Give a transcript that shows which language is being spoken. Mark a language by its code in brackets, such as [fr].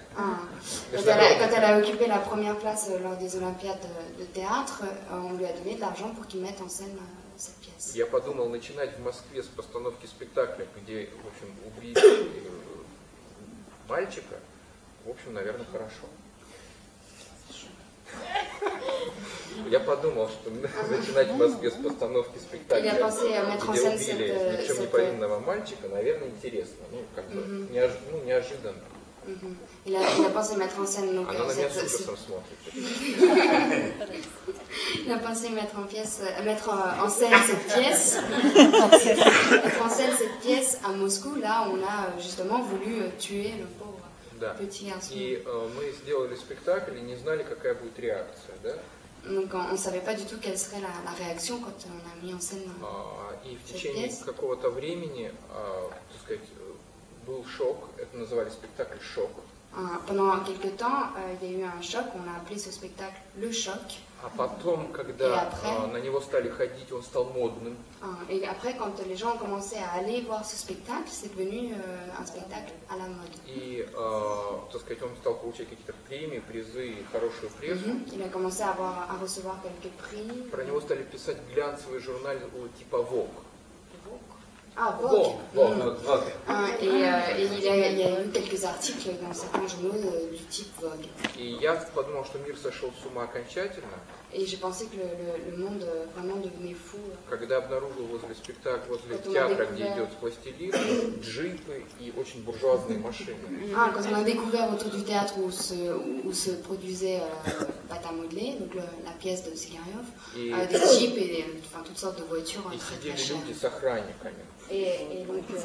[fr] Quand elle a occupé la première place lors des Olympiades de théâtre, on lui a donné de l'argent pour qu'il mette en scène cette pièce. [ru] Я подумал начинать в Москве с постановки спектакля, где, в общем, убили мальчика. В общем, наверное, хорошо. Я подумал, что начинать в Москве с постановки спектакля, где убили ничем не повинного мальчика, наверное, интересно. Ну, как бы, ну, неожиданно. Она на меня с ужасом смотрит. [fr] Il a pensé mettre en scène cette pièce à Moscou, là, on a justement voulu tuer le pauvre petit garçon. [ru] И мы сделали спектакль и не знали, какая будет реакция, да? [fr] Donc on ne savait pas du tout quelle serait la réaction quand on a mis en scène cette pièce. [ru] Какого-то времени, так сказать, был шок. Это называли спектакль «Шок». [fr] Pendant quelques temps, il y a eu un choc. On a appelé ce spectacle «Le choc». [ru] А потом, когда на него стали ходить, он стал модным. [fr] Et après, quand les gens ont commencé à aller voir ce spectacle, c'est devenu un spectacle à la mode. [ru] И, так сказать, сказать, он стал получать какие-то премии, призы и хорошую прессу. [fr] Il a commencé à avoir à recevoir quelques prix. [ru] Про него стали писать глянцевые журналы типа Vogue. Vogue. [fr] Et il y a eu quelques articles dans certains journaux du type Vogue. [ru] И я подумал, что мир сошел с ума окончательно. [fr] Et j'ai pensé que le monde vraiment devenait fou. [ru] Когда обнаружил возле спектакля, возле театра, где идет Пластилин, джипы и очень буржуазные машины. [fr] Quand on a découvert autour du théâtre où se produisait Pâte à modeler, donc la pièce de Segarev, des jeeps et enfin toutes sortes de voitures. [ru] И сидели люди с охранниками.